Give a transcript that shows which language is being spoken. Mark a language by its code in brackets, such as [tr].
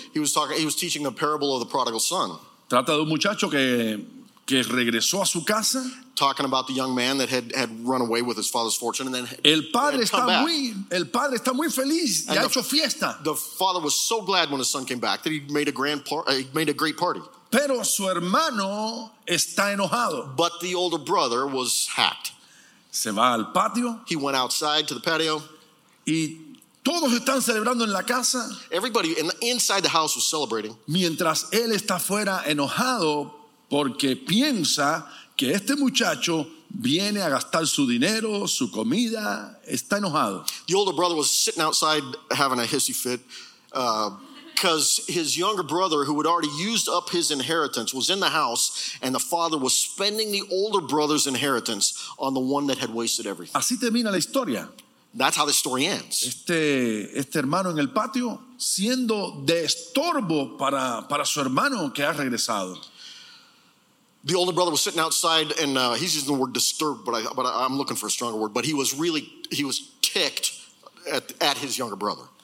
[en] He was teaching the parable of the prodigal son. [es] Trata de un muchacho que regresó a su casa. [en] Talking about the young man that had run away with his father's fortune and then [es] el padre está muy feliz y ha hecho fiesta. [en] The father was so glad when his son came back that he made a great party. [es] Pero su hermano está enojado. [en] But the older brother was hacked. [es] Se va al patio. [en] He went outside to the patio. [es] Y todos están celebrando en la casa. [en] Everybody inside the house was celebrating. [es] Mientras él está fuera enojado porque piensa que este muchacho viene a gastar su dinero, su comida, está enojado. [en] The older brother was sitting outside having a hissy fit because his younger brother, who had already used up his inheritance, was in the house, and the father was spending the older brother's inheritance on the one that had wasted everything. [es] Así termina la historia. [en] That's how the story ends. [es] Este hermano en el patio siendo de estorbo para su hermano que ha regresado. [en] The older brother was sitting outside and he's using the word disturbed, but I'm looking for a stronger word, but he was ticked at his younger brother.